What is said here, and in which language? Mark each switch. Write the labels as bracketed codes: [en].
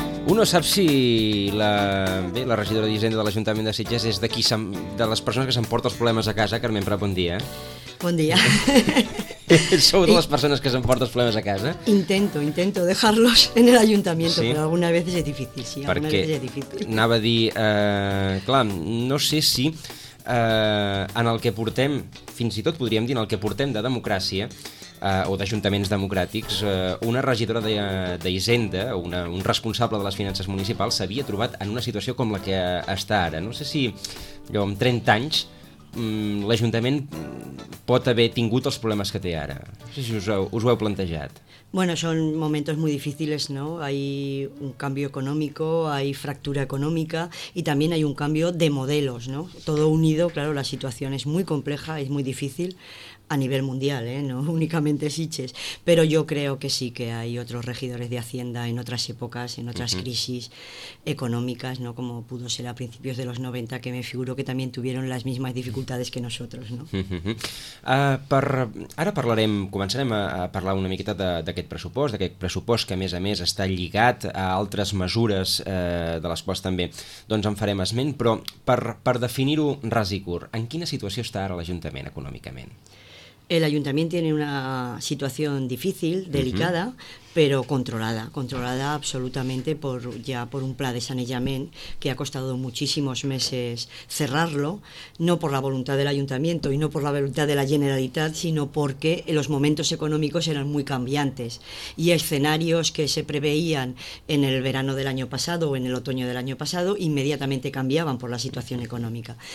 [ca] Uno sap si la regidora d'Hisenda de l'Ajuntament de Sitges és de les persones que s'emporta els problemes a casa. Carmen Prat, bon dia. Bon dia. Sou de les persones que s'emporta els problemes a casa? [es] Intento dejarlos en el ayuntamiento, sí. Pero alguna vez es difícil, sí. [ca] Perquè [es] alguna vez es difícil. [ca] Anava a dir, clar, no sé si en el que portem, fins i tot podríem dir en el que portem de democràcia, o d'ajuntaments democràtics, una regidora d'Hisenda, un responsable de les finances municipals, s'havia trobat en una situació com la que està ara. No sé si allò, amb 30 anys l'Ajuntament pot haver tingut els problemes que té ara. No sé si us ho heu plantejat. [es] Bueno, son momentos muy difíciles, ¿no? Hay un cambio económico, hay fractura económica y también hay un cambio de modelos, ¿no? Todo unido, claro, la situación es muy compleja, es muy difícil a nivel mundial, ¿eh? No únicamente Sitges. Pero yo creo que sí que hay otros regidores de Hacienda en otras épocas, en otras crisis económicas, ¿no? Como pudo ser a principios de los 90, que me figuro que también tuvieron las mismas dificultades que nosotros, ¿no? [ca] Ara parlarem, començarem a parlar una miqueta d'aquest pressupost que a més està lligat a altres mesures de les quals també doncs en farem esment, però per definir-ho ras i curt, en quina situació està ara l'Ajuntament econòmicament? [es] El ayuntamiento tiene una situación difícil, delicada, pero controlada absolutamente por un plan de saneamiento que ha costado muchísimos meses cerrarlo, no por la voluntad del ayuntamiento y no por la voluntad de la Generalitat, sino porque los momentos económicos eran muy cambiantes y escenarios que se preveían en el verano del año pasado o en el otoño del año pasado inmediatamente cambiaban por la situación económica.